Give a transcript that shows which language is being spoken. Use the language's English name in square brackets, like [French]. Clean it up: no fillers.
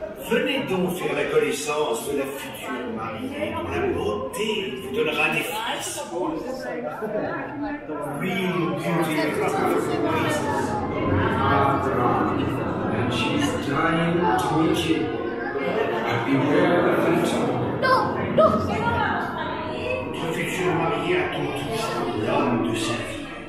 [French] Venez donc faire la connaissance de la future mariée, dont la beauté vous donnera des frissons. [English] Real beauty is a princess. After all, and she's dying to meet you. But beware of the phantom. [French] Non, non. Votre future mariée attend toujours l'homme de sa vie.